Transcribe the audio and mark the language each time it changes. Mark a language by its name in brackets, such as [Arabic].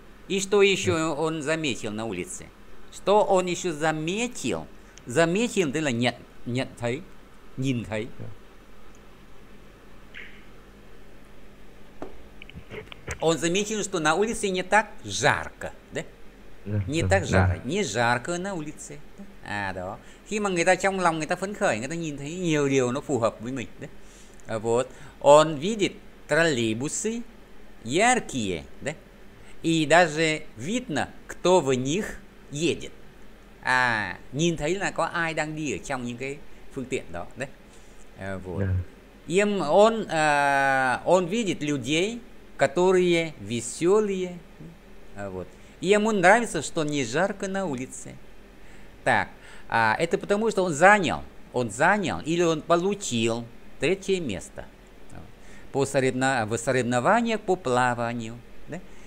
[Russian] И что еще он заметил на улице? Что он еще заметил? Заметил, то есть нет [Vietnamese] thấy, nhìn thấy. [Russian] Он заметил, что на улице не так жарко, да? Не так жарко, не жарко на улице. [Vietnamese] À đó. Khi mà người ta trong lòng người ta phấn khởi, người ta nhìn thấy nhiều điều nó phù hợp với mình đấy. [Russian] À, вот. Он видит троллейбусы яркие, да? И даже видно, кто в них едет. [Vietnamese] À, nhìn thấy là có ai đang đi ở trong những cái phương tiện đó đấy. [Russian] À, вот. Он видит людей, которые веселые. А, вот. Ему нравится, что не жарко на улице. Так. А это потому, что он занял или он получил третье место в соревнованиях по плаванию. Да?